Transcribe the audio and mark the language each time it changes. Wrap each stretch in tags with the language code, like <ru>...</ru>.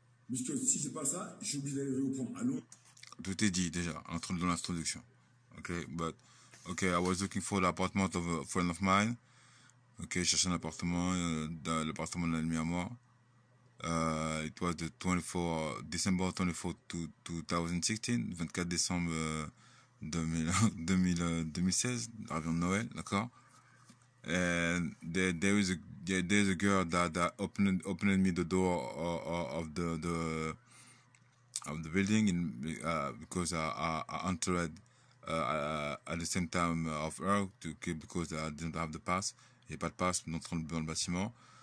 <fr>Monsieur, si c'est pas ça, j'ai oublié d'aller reprendre. Allô. Tout est dit déjà dans l'introduction.</fr> <en>Okay, but okay, I was looking for the apartment of a friend of mine.</en> <fr>Okay, cherchant l'appartement, l'appartement d'un ami à moi.</fr> <en>It was the 24 December 2016, 2016,</en> <fr>avant Noël, d'accord.</fr> <en>And there is a girl that opened me the door of the building in because I entered at the same time of her because I didn't have the pass.</en> <fr>Il y a pas de pass pour entrer dans le bâtiment.</fr>